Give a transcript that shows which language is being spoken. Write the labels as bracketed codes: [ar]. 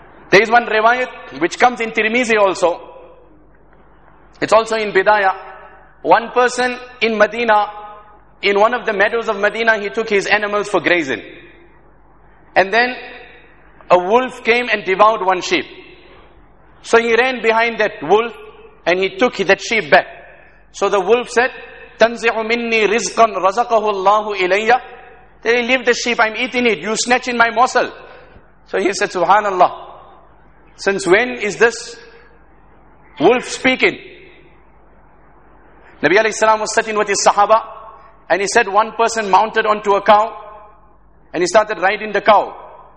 [en] There is one riwayat which comes in Tirmizi also. It's also in Bidayah. One person in Medina, in one of the meadows of Medina, he took his animals for grazing. And then a wolf came and devoured one sheep. So he ran behind that wolf and he took that sheep back. So the wolf said, [ar] تَنْزِعُ مِنِّي رِزْقًا رَزَقَهُ اللَّهُ إِلَيَّ. [en] Then he leave the sheep, I'm eating it, you snatching my morsel. So he said, Subhanallah, since when is this wolf speaking? Nabi alayhi salam was sitting with his sahaba and he said, one person mounted onto a cow and he started riding the cow.